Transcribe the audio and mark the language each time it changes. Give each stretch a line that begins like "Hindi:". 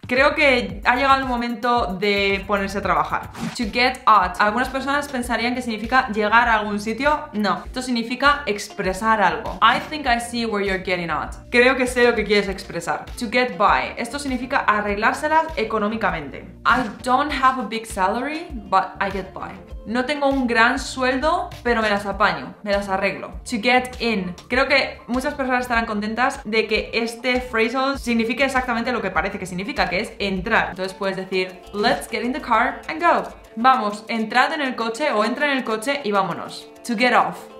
Spanish: Creo que ha llegado el momento de ponerse a trabajar. To get out. Algunas personas pensarían que significa llegar a algún sitio. No. Esto significa expresar algo.
English: I think I see where you're getting at.
Spanish: Creo que sé lo que quieres expresar.
English: To get by.
Spanish: Esto significa arreglárselas económicamente.
English: I don't have a big salary, but I get by.
Spanish: No tengo un gran sueldo, pero me las apaño, me las arreglo. To get in. Creo que muchas personas estarán contentas de que este phrasal signifique exactamente lo que parece que significa, que es entrar. Entonces puedes decir,
English: let's get in the car and go.
Spanish: Vamos, entrad en el coche o entra en el coche y vámonos. To get off.